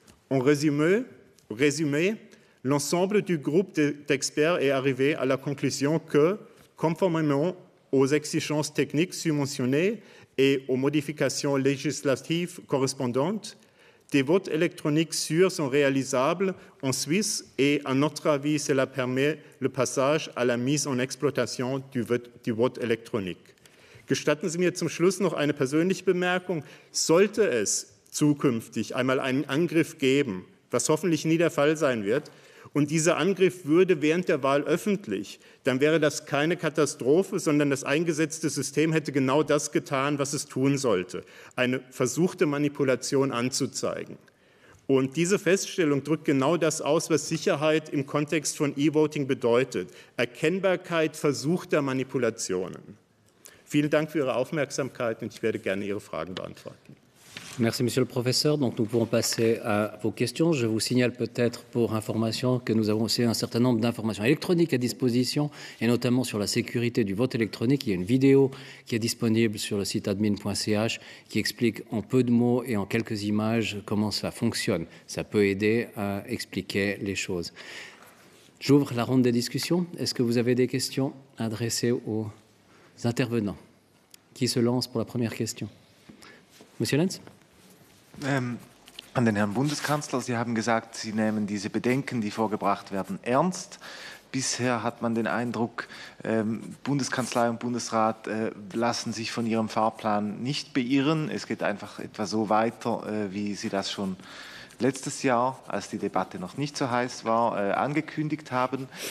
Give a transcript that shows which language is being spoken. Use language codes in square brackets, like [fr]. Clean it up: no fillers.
[fr] En résumé, l'ensemble du groupe d'experts est arrivé à la conclusion que, conformément aux exigences techniques surmentionnées et aux modifications législatives correspondantes, des votes électroniques sûrs sont réalisables en Suisse et, à notre avis, cela permet le passage à la mise en exploitation du vote électronique. [de] Gestatten Sie mir zum Schluss noch eine persönliche Bemerkung. Sollte es zukünftig einmal einen Angriff geben, was hoffentlich nie der Fall sein wird, und dieser Angriff würde während der Wahl öffentlich, dann wäre das keine Katastrophe, sondern das eingesetzte System hätte genau das getan, was es tun sollte, eine versuchte Manipulation anzuzeigen. Und diese Feststellung drückt genau das aus, was Sicherheit im Kontext von E-Voting bedeutet, Erkennbarkeit versuchter Manipulationen. Vielen Dank für Ihre Aufmerksamkeit und ich werde gerne Ihre Fragen beantworten. [fr] Merci, Monsieur le Professeur. Donc, nous pouvons passer à vos questions. Je vous signale peut-être pour information que nous avons aussi un certain nombre d'informations électroniques à disposition, et notamment sur la sécurité du vote électronique. Il y a une vidéo qui est disponible sur le site admin.ch qui explique en peu de mots et en quelques images comment ça fonctionne. Ça peut aider à expliquer les choses. J'ouvre la ronde des discussions. Est-ce que vous avez des questions adressées aux intervenants? Qui se lance pour la première question? Monsieur Lenz? [de] an den Herrn Bundeskanzler. Sie haben gesagt, Sie nehmen diese Bedenken, die vorgebracht werden, ernst. Bisher hat man den Eindruck, Bundeskanzlei und Bundesrat lassen sich von ihrem Fahrplan nicht beirren. Es geht einfach etwa so weiter, wie Sie das schon letztes Jahr, als die Debatte noch nicht so heiß war, angekündigt haben.